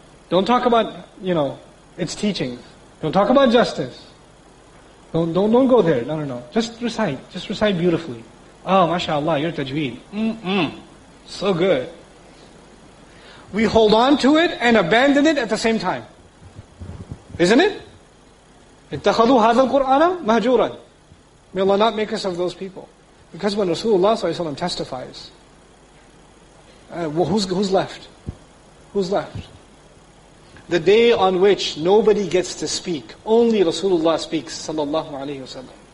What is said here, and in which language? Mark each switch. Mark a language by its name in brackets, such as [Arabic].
[English] Don't talk about, its teachings. Don't talk about justice. Don't go there. No. Just recite. Just recite beautifully. Oh, mashallah, your tajweed. So good. We hold on to it and abandon it at the same time. Isn't it? [Arabic] اتخذوا هذا القرآن مهجورا. [English] May Allah not make us of those people. Because when Rasulullah sallallahu alayhi wa sallam testifies, who's left? Who's left? The day on which nobody gets to speak, only Rasulullah speaks, sallallahu alayhi wa sallam.